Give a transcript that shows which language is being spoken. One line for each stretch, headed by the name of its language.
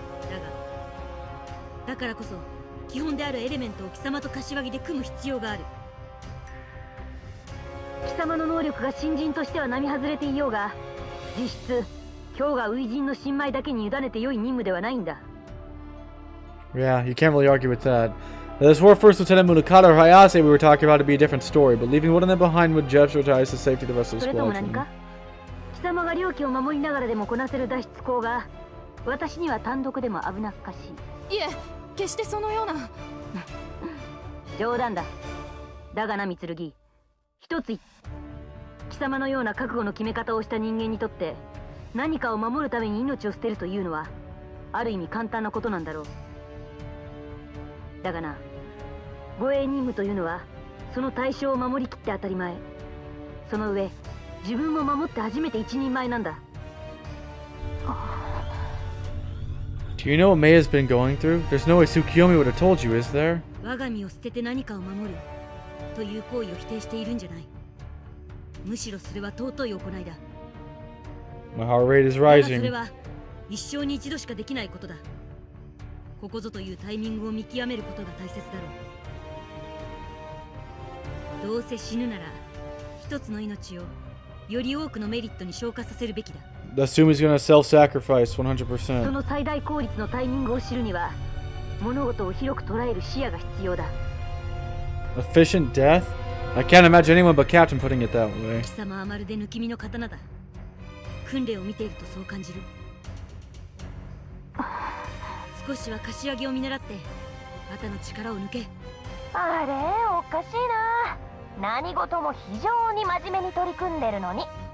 Japanese: だがだからこそ基本であるエレメントを貴様と柏木で組む必要がある。貴様の能力が新人としては並外れていようが、実質今日が初陣の新米だけに委ねて良い任務ではないんだ。
English: Yeah, you can't really argue with that. This war first lieutenant Munakata or Hayase we were talking about would be a different story, but leaving one of them behind would jeopardize the safety of the rest of the squadron.
Japanese: それとも何か、貴様が領域を守りながらでもこなせる脱出口が私には単独でも危なっかしい。いえ、決してそのような冗談だ。だがな、三剣、一つ、貴様のような覚悟の決め方をした人間にとって何かを守るために命を捨てるというのはある意味簡単なことなんだろう。だがな、護衛任務というのはその対象を守りきって当たり前、その上自分も守って初めて一人前なんだ。
English: Do you know what May has been going through? There's no way Tsukiyomi would have told you, is there?
Japanese: 我が身を捨てて何かを守るという行為を否定しているんじゃない。むしろそれは尊い行いだ。
English: My heart rate is rising.
Japanese: それは一生に一度しかできないことだ。ここぞというタイミングを見極めることが大切だろう。どうせ死ぬなら一つの命をより多くのメリットに昇華させるべきだ。
English: The Sumi is going to self-sacrifice 100%.
Japanese: その最大効率のタイミングを知るには物事を広く捉える視野が必要だ。
English: Efficient death? I can't imagine anyone but Captain putting it that way.
Japanese: 貴様はまるで抜き身の刀だ。訓練を見ているとそう感じる。少しは柏木を見習って、肩の力を抜け。あれ、おかしいな。何事も非常に真面目に取り組んでるのに。